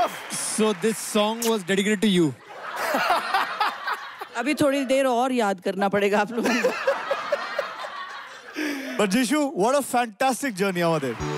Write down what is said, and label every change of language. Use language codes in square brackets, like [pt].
[en] So this song was dedicated to you. [hi] अभी थोड़ी देर और याद करना पड़ेगा आप लोगों को. [en] But Jishu, what a fantastic journey our day.